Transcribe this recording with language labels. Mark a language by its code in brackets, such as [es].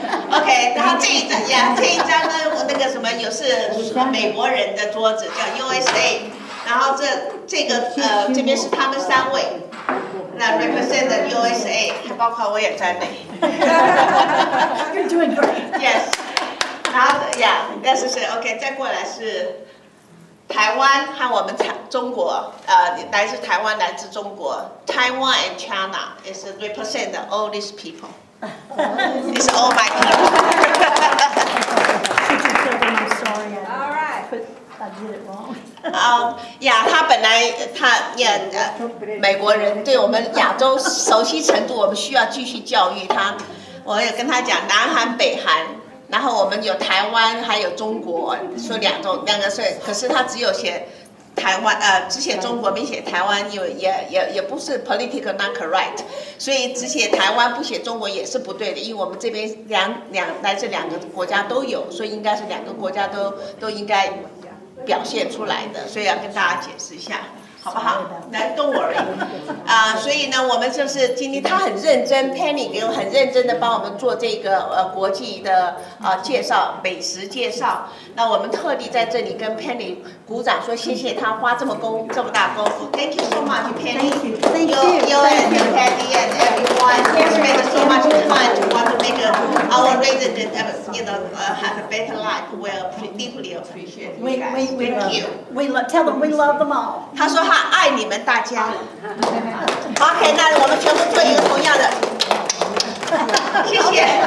[zh] Okay, 然后这一张呢，我那个什么，又是美国人的桌子，叫 USA。然后这个这边是他们三位，那 [en] represent USA， [zh] 包括我也在内。 [en] You're doing great. Yes. 然后 yeah, that's it. Okay, [zh] 再过来是 Taiwan 和我们中国，来自台湾，来自中国。 [en] Taiwan and China is represent all these people. It's all my people. I'm sorry. All right. I did it wrong. [zh] Yeah, 他本来他念、美国人，对我们亚洲熟悉程度，我们需要继续教育他。我也跟他讲南韩、北韩，然后我们有台湾，还有中国，说两个岁，可是他只有写台湾，只写中国，没写台湾，也不是 [en] political not correct， [zh] 所以只写台湾不写中国也是不对的，因为我们这边来自两个国家都有，所以应该是两个国家都应该。表现出来的，所以要跟大家解释一下，好不好？来动我而已啊！所以呢，我们就是今天他很认真 ，Penny 给我很认真的帮我们做这个国际的介绍，美食介绍。那我们特地在这里跟 Penny 鼓掌说谢谢他花这么大功夫。 [en] Thank you so much, Penny. Thank you. You and Penny and everyone has made so much fun to want to make our region have a better life. We deeply appreciate you guys. Tell them we love them all. [zh] 他说他爱你们大家。 OK， 那我们全部做一个同样的。谢谢。